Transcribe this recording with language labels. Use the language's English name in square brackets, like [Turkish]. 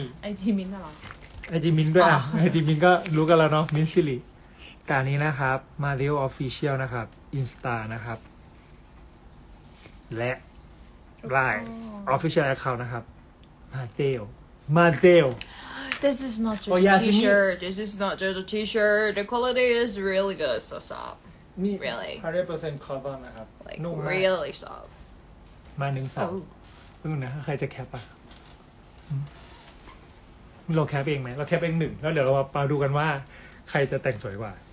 [Thai] ไอจีมิน น่ะไอจีมินด้วยอ่ะไอจีมินก็รู้กันแล้วเนาะมินซิลิตานี้นะครับมาเรียล official นะครับ insta นะครับและ line official account นะครับมาเตล [English] this is not just a t-shirt this is not just a t-shirt the quality is really good so soft really 100% cover นะครับ like really soft [Thai] มา12ตื่นนะใครจะแคปอ่ะเราแคปเองไหมเราแคปเองหนึ่งแล้วเดี๋ยวเรามาดูกันว่าใครจะแต่งสวยกว่า